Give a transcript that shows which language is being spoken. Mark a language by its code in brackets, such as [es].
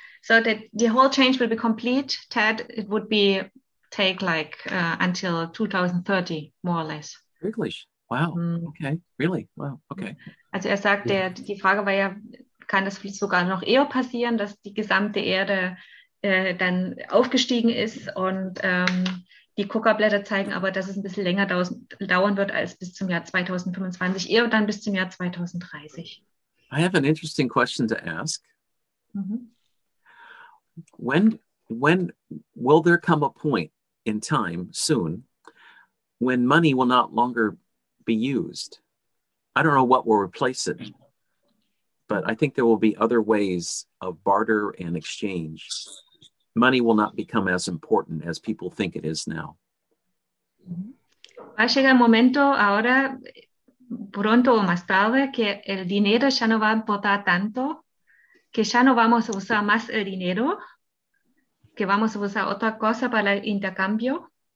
[en] So the whole change will be complete, Ted. It would be take like until 2030, more or less. [de] Wirklich? [en] Wow. Mm. Okay. Really? Wow. Okay. [de] Also er sagt, yeah. die Frage war ja, kann das vielleicht sogar noch eher passieren, dass die gesamte Erde dann aufgestiegen ist und die Coca-Blätter zeigen aber, dass es ein bisschen länger dauern wird als bis zum Jahr 2025, eher dann bis zum Jahr 2030. [en] I have an interesting question to ask. Mm-hmm. When will there come a point in time soon when money will not longer be used? I don't know what will replace it, but I think there will be other ways of barter and exchange. Money will not become as important as people think it is now. [es] Va a llegar el momento ahora, pronto o más tarde, que el dinero ya no va a importar tanto, que ya no vamos a usar más el dinero, que vamos a usar otra cosa para el intercambio.